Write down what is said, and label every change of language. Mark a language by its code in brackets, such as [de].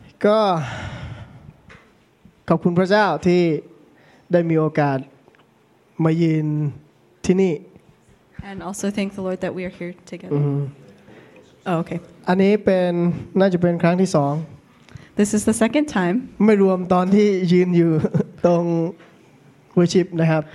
[th] ก็ขอบคุณพระเจ้าที่ได้มีโอกาสมายืนที่นี่ [en] And also thank the Lord that we are here together. Mm-hmm. Oh, okay. [th] อันนี้เป็นน่าจะเป็นครั้งที่สอง [en] This is the second time. [th] ไม่รวมตอนที่ยืนอยู่ตรง worship นะครับ